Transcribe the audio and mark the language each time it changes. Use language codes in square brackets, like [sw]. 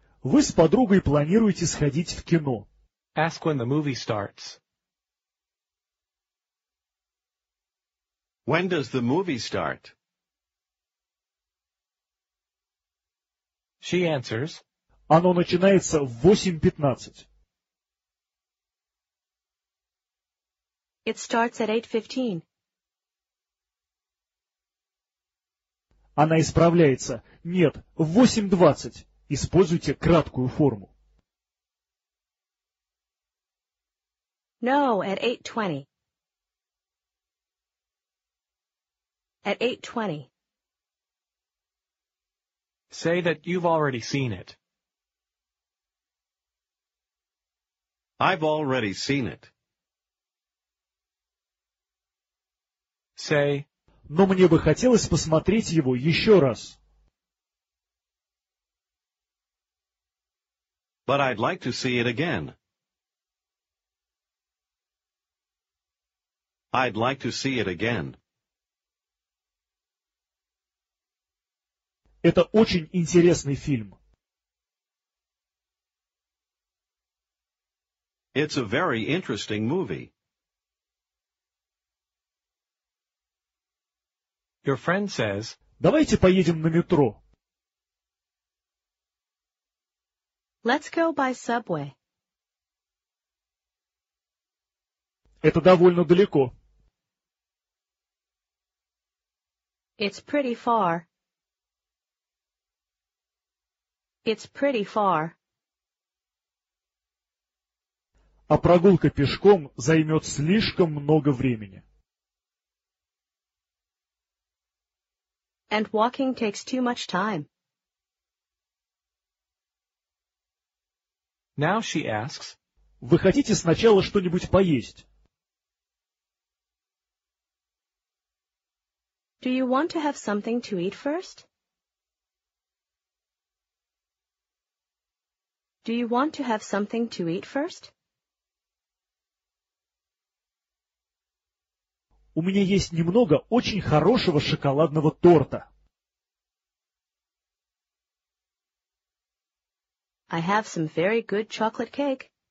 [ru] Вы с подругой планируете сходить в кино. [en] Ask when the movie starts. When does the movie start? She answers. [ru] Оно начинается в 8:15. [en] It starts at 8:15. [ru] Она исправляется. Нет, в 8:20. Используйте краткую форму. [en] No, at 8:20. At 8:20. Say that you've already seen it. I've already seen it. Say, [ru] Но мне бы хотелось посмотреть его еще раз. [en] But I'd like to see it again. I'd like to see it again. [ru] Это очень интересный фильм. [en] It's a very interesting movie. Your friend says, [ru] Давайте поедем на метро. [en] Let's go by subway. [ru] Это довольно далеко. [en] It's pretty far. It's pretty far. [ru] А прогулка пешком займет слишком много времени. [en] And walking takes too much time. Now she asks, [ru] Вы хотите сначала что-нибудь поесть? [en] Do you want to have something to eat first? Do you want to have something to eat first? [ru] У меня есть немного очень хорошего шоколадного торта. [en] I have some very good chocolate cake.